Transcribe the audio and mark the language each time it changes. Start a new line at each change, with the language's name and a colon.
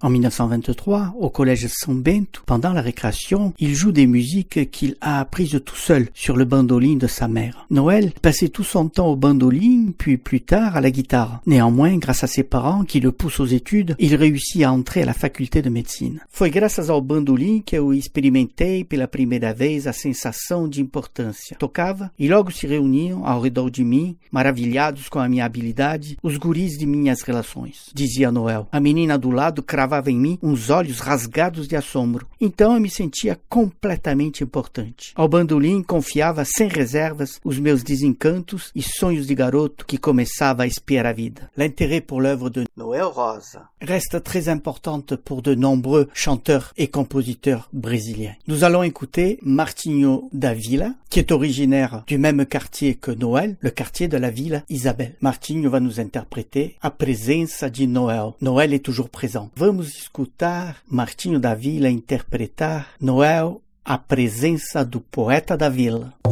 French: En 1923, au collège São Bento, pendant la récréation, il joue des musiques qu'il a apprises tout seul sur le bandoline de sa mère. Noël passait tout son temps au bandoline, puis plus tard à la guitare. Néanmoins, grâce à ses parents qui le poussent aux études, il réussit à entrer à la faculté de médecine.
Portuguese: Foi graças ao bandolim que eu experimentei pela primeira vez a sensação de importância. Tocava e logo se reuniam ao redor de mim, maravilhados com a minha habilidade, os guris de minhas relações, dizia Noel. A menina do lado cravava em mim uns olhos rasgados de assombro. Então eu me sentia completamente importante. Ao bandolim confiava sem reservas os meus desencantos e sonhos de garoto que começava a espiar a vida.
French: L'intérêt pour l'œuvre de Noel Rosa reste très importante pour de nombreux chanteurs et compositeurs brésiliens. Nous allons écouter Martinho da Vila, qui est originaire du même quartier que Noel, le quartier de la Vila Isabel. Martinho va nous interpréter A Presença de Noel. Noel est toujours présent.
Portuguese: Vamos escutar Martinho da Vila interpretar Noel, A Presença do Poeta da Vila.